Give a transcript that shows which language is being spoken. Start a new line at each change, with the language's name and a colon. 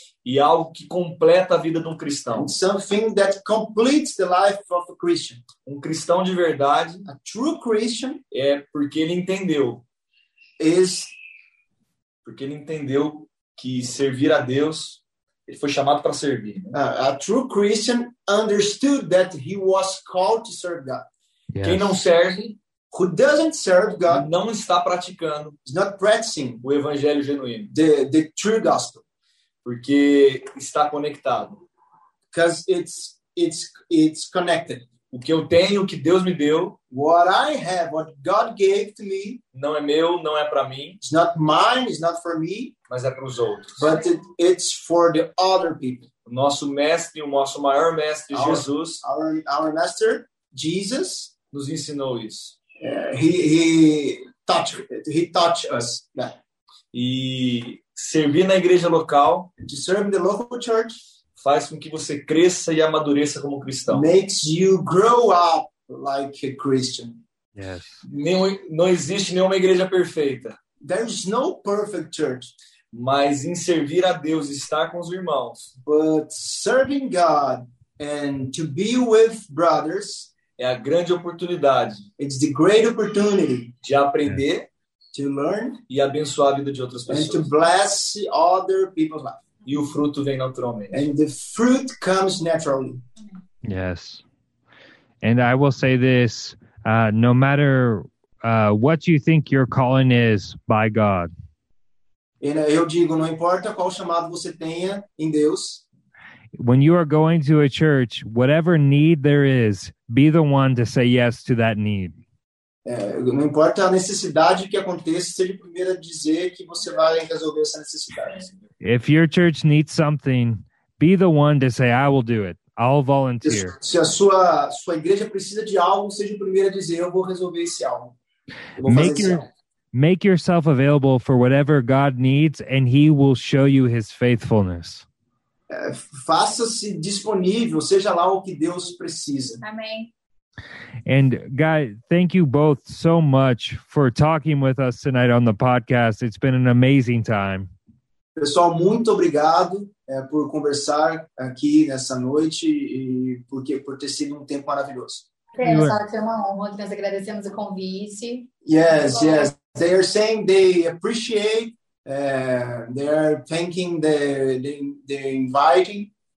Portuguese: E algo que completa a vida de um cristão.
English: It's something that completes the life of a Christian.
Portuguese: Um cristão de verdade.
English: A true Christian.
Portuguese: É porque ele entendeu.
English: Is.
Portuguese: Porque ele entendeu que servir a Deus, ele foi chamado para servir.
English: A true Christian understood that he was called to serve God. Yes.
Portuguese: Quem não serve.
English: Who doesn't serve God,
Portuguese: não está praticando,
English: is not practicing
Portuguese: o evangelho genuíno,
English: the true gospel,
Portuguese: porque está conectado.
English: Because it's connected.
Portuguese: O que eu tenho, o que Deus me deu,
English: what I have, what God gave to me,
Portuguese: não é meu, não é para mim,
English: it's not mine, it's not for me,
Portuguese: mas é para os outros.
English: But it's for the other people.
Portuguese: O nosso mestre, o nosso maior mestre, Jesus,
English: our master, Jesus,
Portuguese: nos ensinou isso.
English: He taught us that.
Portuguese: E servir na igreja local,
English: to serve in the local church,
Portuguese: faz com que você cresça e amadureça como cristão.
English: Makes you grow up like a Christian. Yes.
Portuguese: Não existe nenhuma igreja perfeita.
English: There's no perfect church.
Portuguese: Mas em servir a Deus, estar com os irmãos.
English: But serving God and to be with brothers.
Portuguese: É a grande oportunidade.
English: It's the great opportunity
Portuguese: de aprender,
English: to learn,
Portuguese: e abençoar a vida de outras pessoas.
English: And to bless other people's life.
Portuguese: E o fruto vem naturalmente.
English: And the fruit comes naturally. Yes. And I will say this, no matter what you think your calling is by God.
Portuguese: Eu digo, não importa qual chamado você tenha em Deus.
English: When you are going to a church, whatever need there is, be the one to say yes to that need.
Portuguese: Não importa a necessidade que aconteça, seja o primeiro a dizer que você vai resolver essa necessidade.
English: If your church needs something, be the one to say, I will do it. I'll volunteer.
Portuguese: Se a sua igreja precisa de algo, seja o primeiro a dizer, eu vou resolver esse algo.
English: Make yourself available for whatever God needs, and he will show you his faithfulness.
Portuguese: Faça-se disponível, seja lá o que Deus precisa. Amém.
English: And God, thank you both so much for talking with us tonight on the podcast. It's been an amazing time.
Portuguese: Pessoal, muito obrigado por conversar aqui nessa noite e por ter sido tempo maravilhoso. Foi uma honra, nós agradecemos o convite.
English: Yes, yes. They are saying they appreciate, they are thanking the inviting.